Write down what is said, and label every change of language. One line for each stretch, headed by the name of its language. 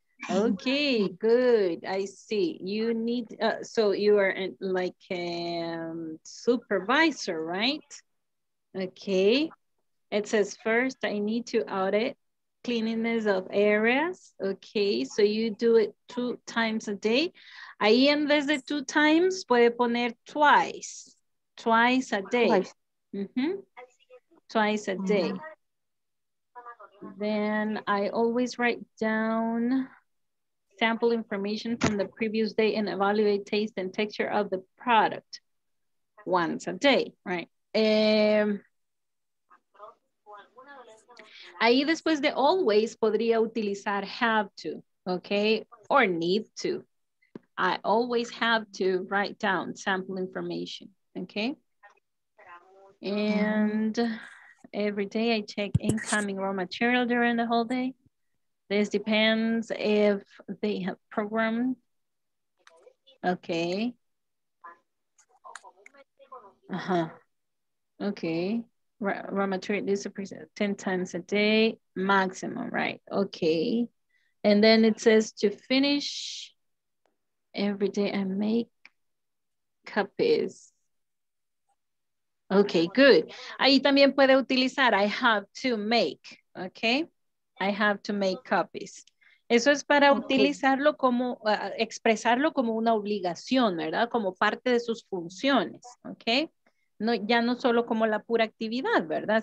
English: Okay, good. I see. You need, so you are like a supervisor, right? Okay. It says first, I need to audit cleanliness of areas. Okay, so you do it 2 times a day.
Spanish: Ahí en vez de
English: 2 times,
Spanish: puede poner
English: twice a day. Mm-hmm. Twice a day. Then I always write down sample information from the previous day and evaluate taste and texture of the product once a day, right?
Spanish: Ahí después de always podría utilizar
English: have to,
Spanish: okay?
English: Or need to. I always have to write down sample information, okay? And every day I check incoming raw material during the whole day. This depends if they have programmed. Okay. Uh-huh. Okay. Raw material disappears 10 times a day, maximum, right? Okay. And then it says to finish every day I make copies. Okay, good.
Spanish: Ahí también puede utilizar
English: I have to make,
Spanish: okay?
English: I have to make copies.
Spanish: Eso es para utilizarlo como, expresarlo como una obligación, ¿verdad? Como parte de sus funciones, ¿ok? No, ya no solo como la pura actividad, ¿verdad?